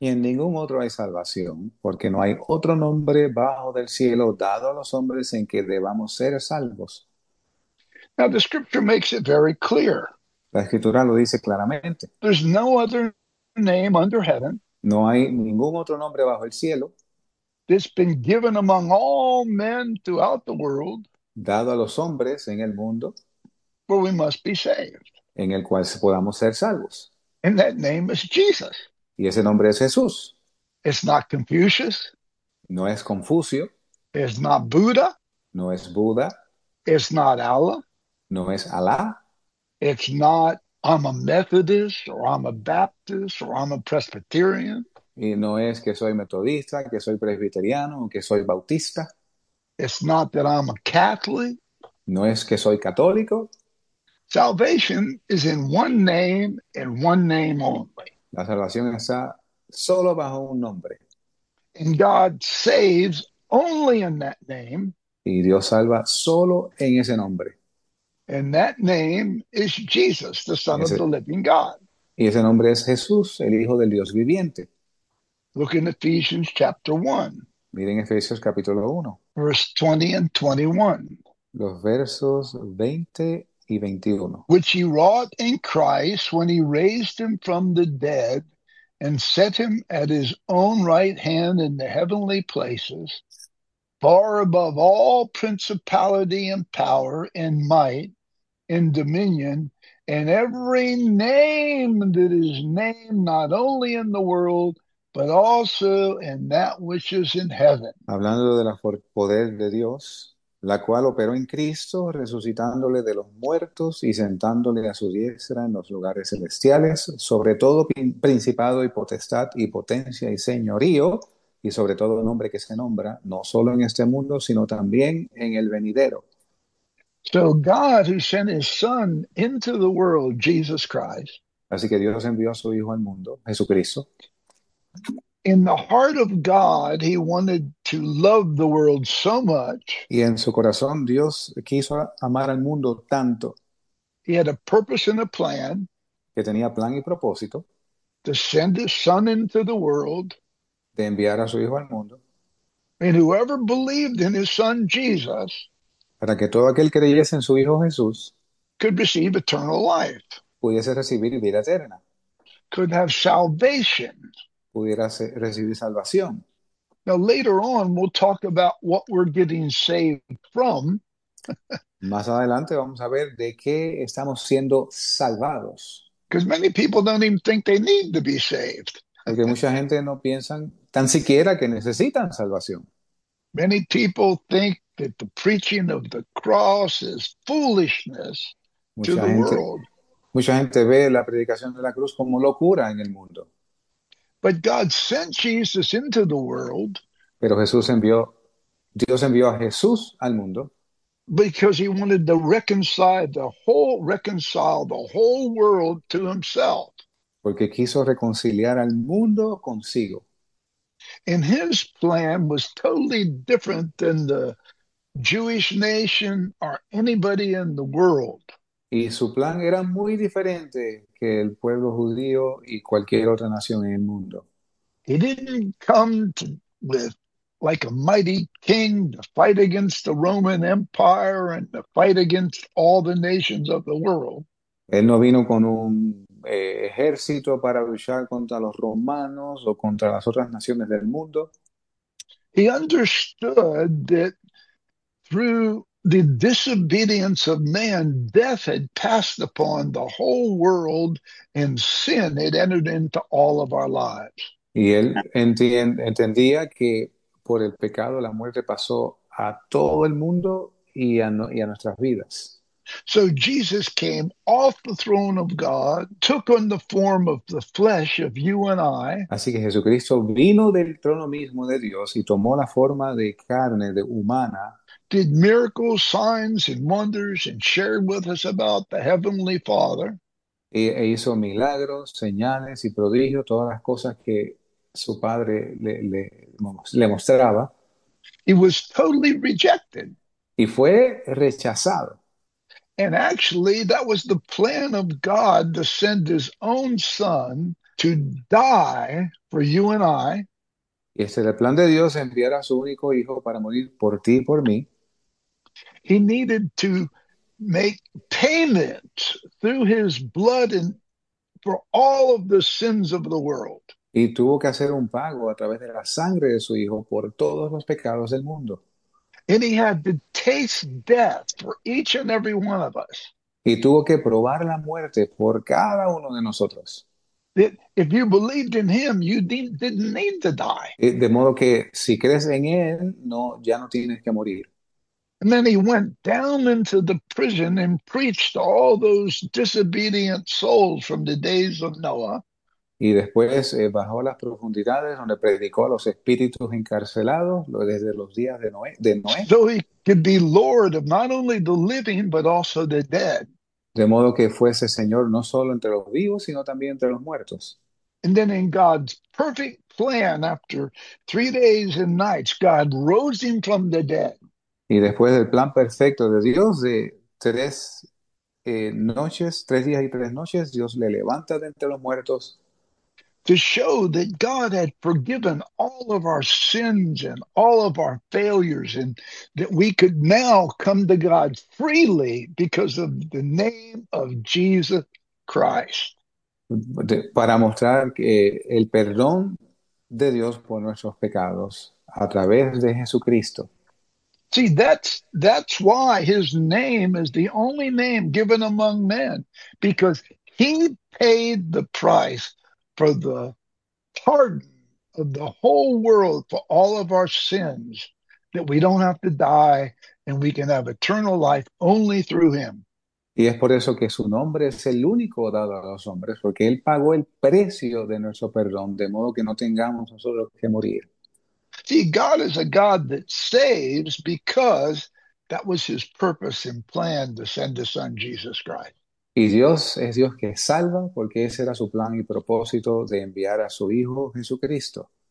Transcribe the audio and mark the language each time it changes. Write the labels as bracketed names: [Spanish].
[Spanish] Y en ningún otro hay salvación, porque no hay otro nombre bajo del cielo dado a los hombres en que debamos ser salvos. [English] Now the scripture makes it very clear. [Spanish] La escritura lo dice claramente. [English] There's no other name under heaven [Spanish] No hay ningún otro nombre bajo el cielo [English] that's been given among all men throughout the world, [Spanish] dado a los hombres en el mundo [English] for we must be saved. [Spanish] en el cual podamos ser salvos. [English] And that name is Jesus. [Spanish] Y ese nombre es Jesús. [English] It's not Confucius. [Spanish] No es Confucio. [English] It's not Buddha. [Spanish] No es Buda. [English] It's not Allah. [Spanish] No es Alá. [English] It's not I'm a Methodist or I'm a Baptist or I'm a Presbyterian. [Spanish] Y no es que soy metodista, que soy presbiteriano, que soy bautista. [English] It's not that I'm a Catholic. [Spanish] No es que soy católico. [English] Salvation is in one name and one name only. [Spanish] La salvación está solo bajo un nombre. [English] And God saves only in that name. [Spanish] Y Dios salva solo en ese nombre. [English] And that name is Jesus, the [Spanish] Y [English] Son of the Living God. [Spanish] ese nombre es Jesús, el Hijo del Dios viviente. [English] Look in Ephesians chapter 1, [Spanish] Miren Efesios capítulo 1, [English] verse 20 and 21. [Spanish] los versos 20 y 21. [English] Which he wrought in Christ when he raised him from the dead and set him at his own right hand in the heavenly places, far above all principality and power and might and dominion and every name that is named not only in the world, but also in that which is in heaven. [Spanish] Hablando del poder de Dios, la cual operó en Cristo, resucitándole de los muertos y sentándole a su diestra en los lugares celestiales, sobre todo principado y potestad y potencia y señorío, y sobre todo nombre que se nombra, no solo en este mundo, sino también en el venidero. [English] So God, who sent his son into the world, Jesus Christ, [Spanish] Así que Dios envió a su Hijo al mundo, Jesucristo. [English] In the heart of God, he wanted to love the world so much. [Spanish] Y en su corazón Dios quiso amar al mundo tanto [English] He had a purpose and a plan [Spanish] que tenía plan y propósito [English] to send his son into the world. [Spanish] de enviar a su hijo al mundo [English] And whoever believed in his son Jesus [Spanish] para que todo aquel creyese en su hijo Jesús [English] could receive eternal life, [Spanish] pudiese recibir vida eterna, [English] could have salvation. [Spanish] pudiera recibir salvación. [English] Now, later on, we'll talk about what we're getting saved from. [Spanish] Más adelante vamos a ver de qué estamos siendo salvados. [English] Because many people don't even think they need to be saved. [Spanish] Porque mucha gente no piensa tan siquiera que necesitan salvación. [English] Many people think that the preaching of the cross is foolishness to the world. [Spanish] Mucha gente ve la predicación de la cruz como locura en el mundo. [English] But God sent Jesus into the world [Spanish] Pero Dios envió a Jesús al mundo. [English] because he wanted to reconcile the whole world to himself. [Spanish] Porque quiso reconciliar al mundo consigo. [English] And his plan was totally different than the Jewish nation or anybody in the world. [Spanish] Y su plan era muy diferente que el pueblo judío y cualquier otra nación en el mundo. [English] He didn't come with like a mighty king to fight against the Roman Empire and to fight against all the nations of the world. [Spanish] Él no vino con un ejército para luchar contra los romanos o contra las otras naciones del mundo. [English] He understood that through the disobedience of man, death had passed upon the whole world and sin had entered into all of our lives. [Spanish] Y él entendía que por el pecado la muerte pasó a todo el mundo y a nuestras vidas. [English] So Jesus came off the throne of God, took on the form of the flesh of you and I. [Spanish] Así que Jesucristo vino del trono mismo de Dios y tomó la forma de carne, de humana. [English] Did miracles, signs, and wonders, and shared with us about the Heavenly Father. [Spanish] E hizo milagros, señales y prodigios, todas las cosas que su padre le mostraba. [English] He was totally rejected. [Spanish] Y fue rechazado. [English] And actually, that was the plan of God to send his own son to die for you and I. [Spanish] Y este era el plan de Dios, enviar a su único hijo para morir por ti y por mí. [English] He needed to make payment through his blood and for all of the sins of the world. [Spanish] Y tuvo que hacer un pago a través de la sangre de su hijo por todos los pecados del mundo. [English] And he had to taste death for each and every one of us. [Spanish] Y tuvo que probar la muerte por cada uno de nosotros. [English] That if you believed in him, you didn't need to die. [Spanish] De modo que si crees en él, no, ya no tienes que morir. [English] And then he went down into the prison and preached to all those disobedient souls from the days of Noah. [Spanish] Y después bajó a las profundidades donde predicó a los espíritus encarcelados desde los días de Noé, [English] So he could be Lord of not only the living, but also the dead. [Spanish] de modo que fuese Señor no solo entre los vivos, sino también entre los muertos. [English] And then in God's perfect plan, after 3 days and nights, God rose him from the dead. [Spanish] Y después del plan perfecto de Dios de 3 días y 3 noches, Dios le levanta de entre los muertos. [English] To show that God had forgiven all of our sins and all of our failures, and that we could now come to God freely because of the name of Jesus Christ. [Spanish] Para mostrar que el perdón de Dios por nuestros pecados a través de Jesucristo. [English] See, that's why his name is the only name given among men, because he paid the price for the pardon of the whole world for all of our sins, that we don't have to die and we can have eternal life only through him. [Spanish] Y es por eso que su nombre es el único dado a los hombres, porque él pagó el precio de nuestro perdón, de modo que no tengamos nosotros que morir. [English] See, God is a God that saves because that was his purpose and plan to send his son Jesus Christ. [Spanish] Y Dios es Dios que salva, porque ese era su plan y propósito de enviar a su Hijo Jesucristo.